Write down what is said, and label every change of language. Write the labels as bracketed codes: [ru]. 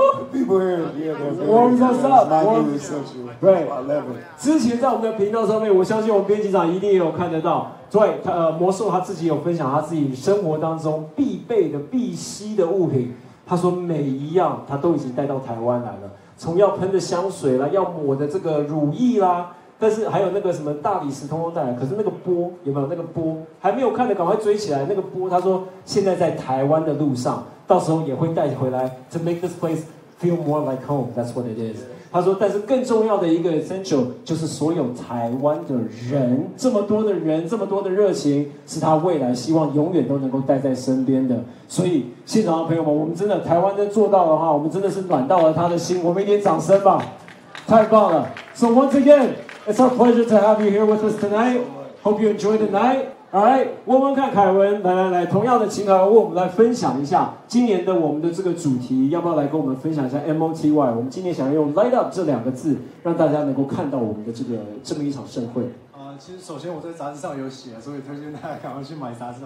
[en] People here, they're warming us up. [zh] 之前在我们的频道上面，我相信我们编辑长一定也有看得到。对，魔兽他自己有分享他自己生活当中必备的、必需的物品。他说每一样他都已经带到台湾来了，从要喷的香水啦，要抹的这个乳液啦，但是还有那个什么大理石通通带来。可是那个波有没有？那个波还没有看的，赶快追起来。那个波他说现在在台湾的路上。到时候也会带回来 [en] to make this place feel more like home. That's what it is. [zh] 他说，但是更重要的一个 essential 就是所有台湾的人，这么多的人，这么多的热情，是他未来希望永远都能够带在身边的。所以现场的朋友们，我们真的台湾真做到的话，我们真的是暖到了他的心。我们一点掌声吧，太棒了。 [en] So once again, it's our pleasure to have you here with us tonight. Hope you enjoy the night. All right, [zh] 问问看凯文，来来来，同样的情感，为我们来分享一下今年的我们的这个主题，要不要来跟我们分享一下 MOTY？我们今年想要用 Light Up 这两个字，让大家能够看到我们的这么一场盛会。其实首先我在杂志上有写，所以推荐大家赶快去买杂志。